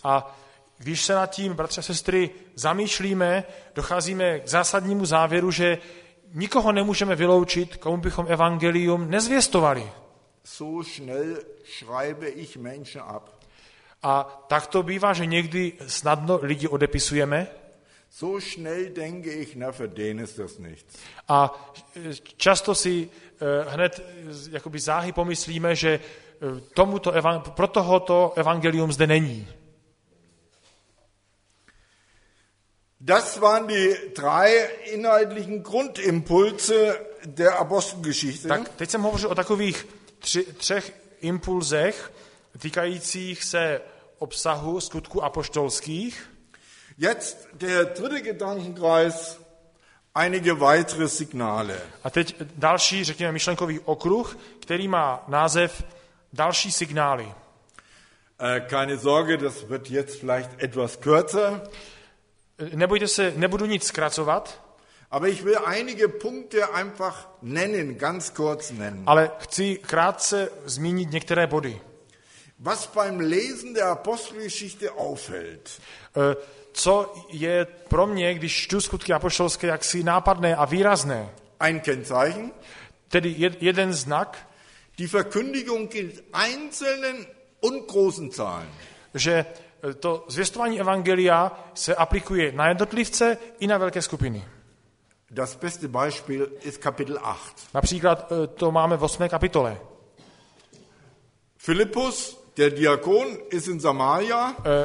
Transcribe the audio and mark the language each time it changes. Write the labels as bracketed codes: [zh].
[cs] A když se nad tím, bratře a sestry, zamýšlíme, docházíme k zásadnímu závěru, že nikoho nemůžeme vyloučit, komu bychom evangelium nezvěstovali. [de] So schnell schreibe ich Menschen ab. [cs] A tak to bývá, že někdy snadno lidi odepisujeme. [de] So schnell denke ich, na für den ist das nichts. [cs] A často si hned jakoby záhy pomyslíme, že tomuto pro tohoto evangelium zde není. [de] Das waren die drei inhaltlichen Grundimpulse der Apostelgeschichte. [cs] Tak teď jsem hovořil o takových třech impulzech týkajících se obsahu skutků apoštolských. [de] Jetzt der dritte Gedankenkreis, einige weitere Signale. [cs] A teď další, řekněme, myšlenkový okruh, který má název Další signály. [de] Keine Sorge, das wird jetzt vielleicht etwas kürzer. [cs] Nebojte se, nebudu nic zkracovat. [de] Aber ich will einige Punkte einfach nennen, ganz kurz nennen. [cs] Ale chci krátce zmínit některé body. [de] Was beim Lesen der Apostelgeschichte auffällt. [cs] Co je pro mě, když čtu skutky apoštolské, jaksi nápadné a výrazné? [de] Ein Kennzeichen. [cs] Tedy jeden znak. [de] Die Verkündigung gilt einzelnen und großen Zahlen. [cs] Že to zvěstování evangelia se aplikuje na jednotlivce i na velké skupiny. [de] Das beste Beispiel ist Kapitel 8. [cs] Například to máme v 8. kapitole. [de] Philippus, der Diakon, ist in Samaria.